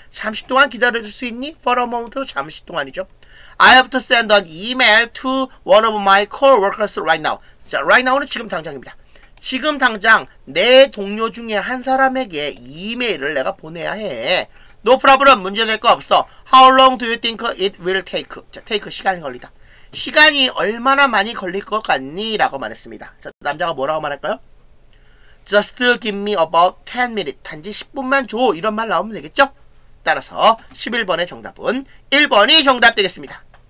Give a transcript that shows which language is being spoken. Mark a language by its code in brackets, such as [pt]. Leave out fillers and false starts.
[ko] 잠시 동안 기다려줄 수 있니? [en] For a moment [ko] 도 잠시 동안이죠. [en] I have to send an email to one of my co-workers right now. [ko] 자, right now는 지금 당장입니다. 지금 당장 내 동료 중에 한 사람에게 이메일을 내가 보내야 해. [en] No problem. [ko] 문제될 거 없어. [en] How long do you think it will take? [ko] 자, take 시간이 걸리다. 시간이 얼마나 많이 걸릴 것 같니? 라고 말했습니다. 자, 남자가 뭐라고 말할까요? [en] Just give me about 10 minutes. [ko] 단지 10분만 줘. 이런 말 나오면 되겠죠? 따라서 11번의 정답은 1번이 정답 되겠습니다.